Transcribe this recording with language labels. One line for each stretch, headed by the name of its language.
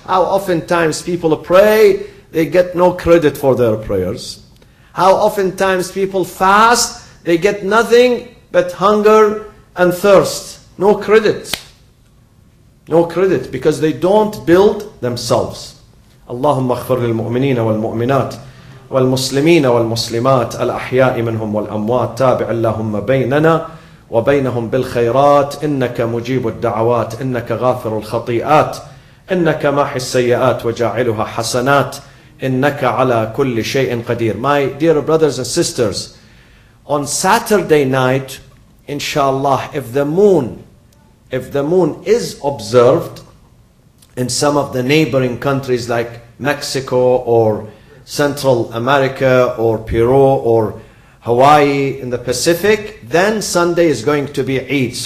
English: How often times people pray, they get no credit for their prayers. How often times people fast, they get nothing but hunger and thirst. No credit. No credit, because they don't build themselves.
Arabic: Allahumma اغفر للمؤمنين والمؤمنات والمسلمين والمسلمات الأحياء منهم والأموات تابع اللهم بيننا وبينهم بالخيرات إنك مجيب الدعوات إنك غافر الخطيئات إنك ماحي السيئات وجاعلها حسنات إنك على كل شيء قدير.
English: My dear brothers and sisters, on Saturday night, inshallah, if the moon is observed in some of the neighboring countries like Mexico or Central America or Peru or Hawaii in the Pacific, then Sunday is going to be Eid.